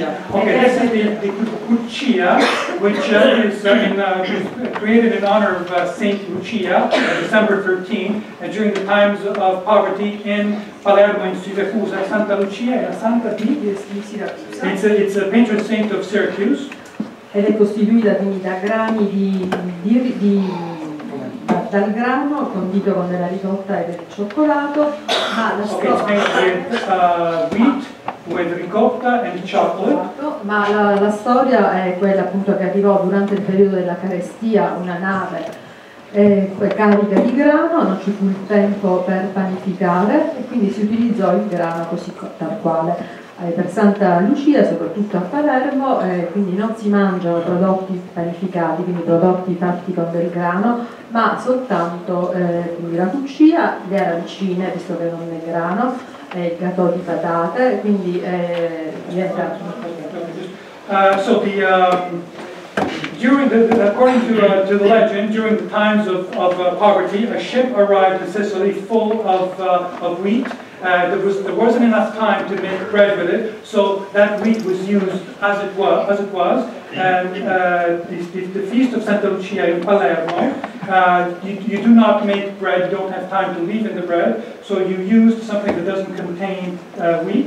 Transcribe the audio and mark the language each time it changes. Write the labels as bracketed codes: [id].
[en] Cuccia, okay, this is the cuccia, which is created in honor of Saint Lucia, December 13, and during the times of poverty in Palermo in Siracusa, Santa Lucia, la santa di [it] Siracusa. [en] It's a patron saint of Syracuse. [it] Ed è costituita quindi da grani di dal grano condito con della ricotta e del cioccolato, ma la storia [en] wheat with ricotta and chocolate. [it] Ma la storia è quella appunto che arrivò durante il periodo della carestia una nave carica di grano, non ci fu il tempo per panificare e quindi si utilizzò il grano così tal quale. per Santa Lucia, soprattutto a Palermo, quindi non si mangiano prodotti panificati, quindi prodotti fatti con del grano, ma soltanto quindi la cuccia, le arancine, visto che non è grano, il gatto di patate, quindi niente. [en] According to the legend, during the times of poverty, a ship arrived in Sicily full of wheat. There wasn't enough time to make bread with it, so that wheat was used as it was. And the feast of Santa Lucia in Palermo, you do not make bread, you don't have time to leaven the bread, so you used something that doesn't contain wheat.